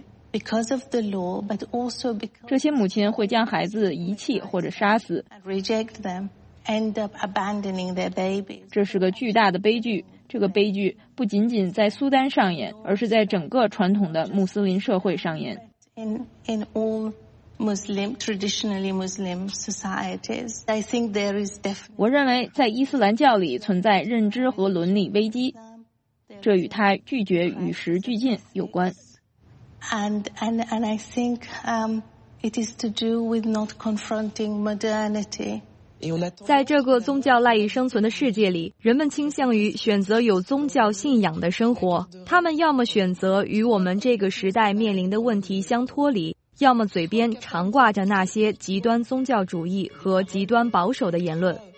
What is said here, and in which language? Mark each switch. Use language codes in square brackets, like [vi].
[en] Because of the law, but also because [zh] 这些母亲会将孩子遗弃或者杀死 [en] ，reject them, end up abandoning their babies. [zh] 这是个巨大的悲剧。这个悲剧不仅仅在苏丹上演，而是在整个传统的穆斯林社会上演。 [en] In all Muslim, traditionally Muslim societies, I think there is definitely. [zh] 我认为在伊斯兰教里存在认知和伦理危机，这与他拒绝与时俱进有关。 [en] And I think it is to do with not confronting modernity. [zh] 在这个宗教赖以生存的世界里，人们倾向于选择有宗教信仰的生活。他们要么选择与我们这个时代面临的问题相脱离，要么嘴边常挂着那些极端宗教主义和极端保守的言论。